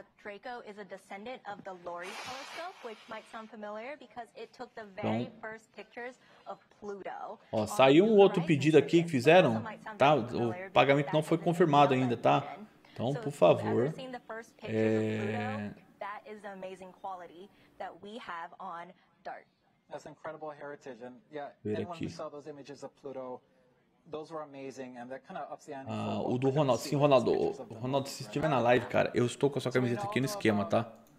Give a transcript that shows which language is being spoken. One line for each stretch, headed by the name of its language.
English: Draco is a descendant of the LORI telescope, which might sound familiar because it took the very first pictures of Pluto.
Portuguese: Ó, saiu um outro pedido aqui que fizeram, tá? O pagamento não foi confirmado ainda, tá? Então, por favor.
English: That is the amazing quality that we have on DART. That's incredible heritage, and yeah, anyone who saw those images of Pluto.
Portuguese: O do Ronaldo, sim, Ronaldo. Ronaldo, se estiver na live, cara, eu estou com a sua camiseta aqui no esquema, tá?